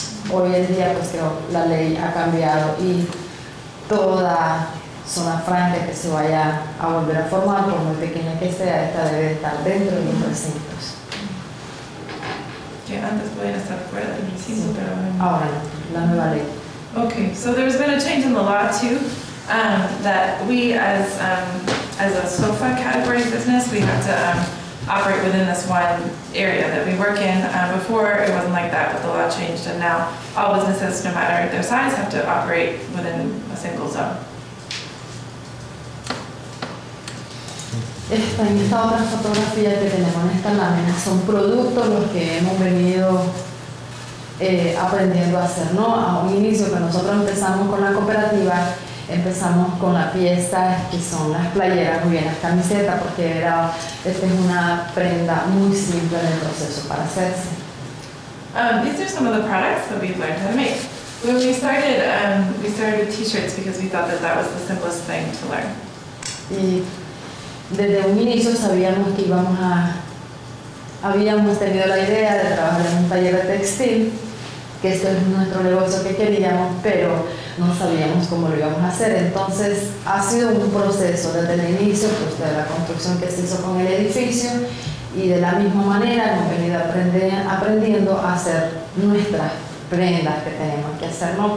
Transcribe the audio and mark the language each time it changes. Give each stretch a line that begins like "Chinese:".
Spanish: Hoy en día, pues creo, la ley ha cambiado y toda zona franca que se vaya a volver a formar, por muy pequeña que sea, esta debe estar dentro de los recintos. Que antes podían estar fuera del recinto, pero ahora, la nueva ley.
English: Okay, so there's been a change in the law too, that we as a SOFA category business, we have to operate within this one area that we work in. Before it wasn't like that, but the law changed, and now all businesses, no matter their size, have to operate within a single zone.
Spanish: En esta otra fotografía que tenemos en esta lámina son productos los que hemos venido aprendiendo a hacer, ¿no? A un inicio que nosotros empezamos con la cooperativa, empezamos con la pieza que son las playeras, muy bien, las camisetas, porque era, esta es una prenda muy simple en el proceso para hacerse.
English: These are some of the products that we've learned how to make. When we started with t-shirts because we thought that that was the simplest thing to learn.
Spanish: Y desde un inicio sabíamos que íbamos a, habíamos tenido la idea de trabajar en un taller de textil, que esto es nuestro negocio que queríamos, pero no sabíamos cómo lo íbamos a hacer. Entonces ha sido un proceso desde el inicio, pues de la construcción que se hizo con el edificio, y de la misma manera hemos venido aprendiendo a hacer nuestras prendas que tenemos que hacer, ¿no?